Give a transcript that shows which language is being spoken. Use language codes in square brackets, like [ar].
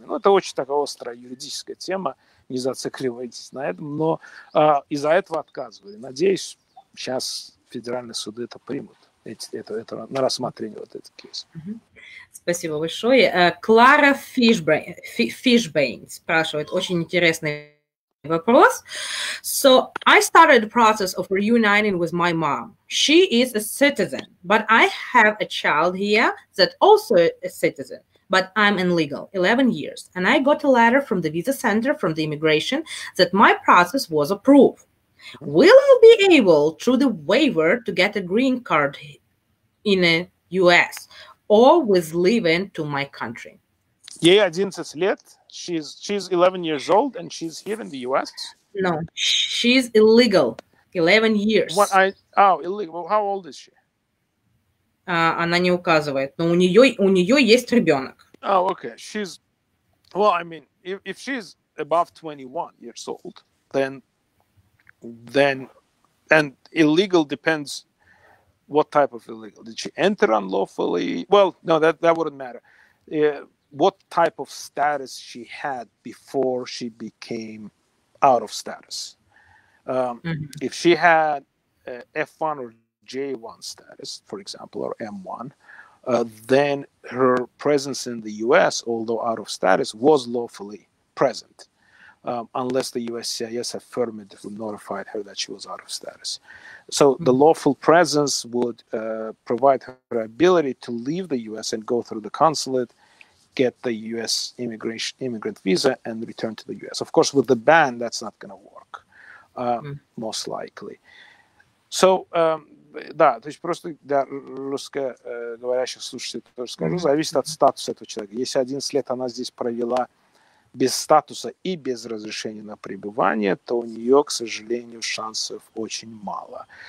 [ru] Ну, это очень такая острая юридическая тема, не зацикливайтесь на этом, но из-за этого отказывали. Надеюсь, сейчас федеральные суды это примут, это на рассмотрение вот этот кейс. Спасибо большое. Клара Фишбейн спрашивает очень интересный вопрос. [en] So I started the process of reuniting with my mom. She is a citizen, but I have a child here that also a citizen, but I'm illegal 11 years. And I got a letter from the visa center, from the immigration, that my process was approved. Will I be able, through the waiver, to get a green card in the U.S. or with leaving to my country? [ru] Ей 11 лет, [en] she's 11 years old, and she's here in the U.S.? No, she's illegal, 11 years. Illegal, how old is she? [ru] Она не указывает, но у нее есть ребенок. [en] Oh, okay, she's, well, I mean, if she's above 21 years old, then, and illegal depends what type of illegal. Did she enter unlawfully? Well, no, that wouldn't matter. What type of status she had before she became out of status. If she had F1 or J1 status, for example, or M1, then her presence in the U.S., although out of status, was lawfully present, unless the USCIS affirmatively notified her that she was out of status. So the lawful presence would provide her ability to leave the U.S. and go through the consulate, get the U.S. immigrant visa and return to the U.S. Of course, with the ban, that's not going to work, most likely. [ru] So, да, то есть просто для русскоговорящих слушателей тоже скажу, зависит от статуса этого человека. Если 11 лет она здесь провела без статуса и без разрешения на пребывание, то у нее, к сожалению, шансов очень мало.